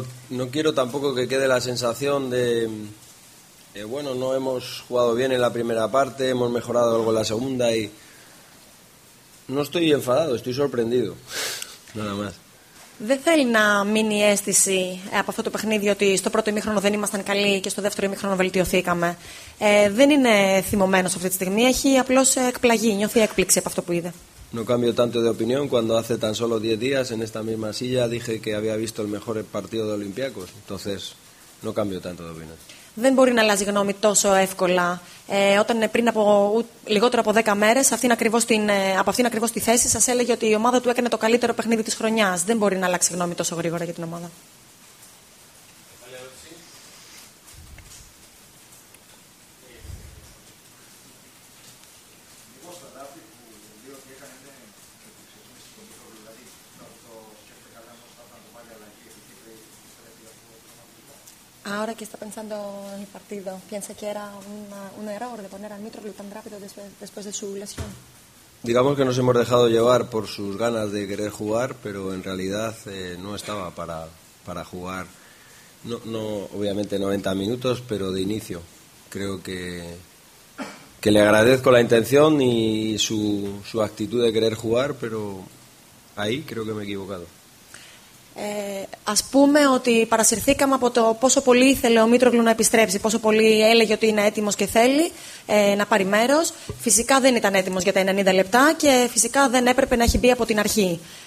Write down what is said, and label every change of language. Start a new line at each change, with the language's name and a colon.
Spanish: No quiero tampoco que quede la sensación de bueno, no hemos jugado bien en la primera parte, hemos mejorado algo en la segunda y no estoy enfadado, estoy sorprendido. Nada más.
Greek: Δεν θέλει να μείνει η αίσθηση από αυτό το παιχνίδι ότι στο πρώτο ημίχρονο δεν ήμασταν καλοί και στο δεύτερο ημίχρονο βελτιωθήκαμε. Δεν είναι θυμωμένος αυτή τη στιγμή, έχει απλώς εκπλαγεί, νιώθει έκπληξη από αυτό που είδε.
Spanish: No cambio tanto de opinión cuando hace tan solo 10 días en esta misma silla dije que había visto el mejor partido de Olympiacos. Entonces, no cambio tanto de opinión.
Greek: Δεν μπορεί να αλλάζει γνώμη τόσο εύκολα. Όταν πριν από λιγότερο από 10 μέρες, από αυτήν ακριβώς τη θέση, σας έλεγε ότι η ομάδα του έκανε το καλύτερο παιχνίδι της χρονιάς. Δεν μπορεί να αλλάξει γνώμη τόσο γρήγορα για την ομάδα.
Spanish: Ahora que está pensando en el partido, piensa que era un error de poner al Mitrovic tan rápido después de su lesión. Digamos que nos hemos dejado llevar por sus ganas de querer jugar, pero en realidad no estaba para jugar, no obviamente 90 minutos, pero de inicio. Creo que le agradezco la intención y su actitud de querer jugar, pero ahí creo que me he equivocado.
Greek: Ας πούμε ότι παρασυρθήκαμε από το πόσο πολύ ήθελε ο Μίτρογλου να επιστρέψει, πόσο πολύ έλεγε ότι είναι έτοιμος και θέλει να πάρει μέρος. Φυσικά δεν ήταν έτοιμος για τα 90 λεπτά και φυσικά δεν έπρεπε να έχει μπει από την αρχή.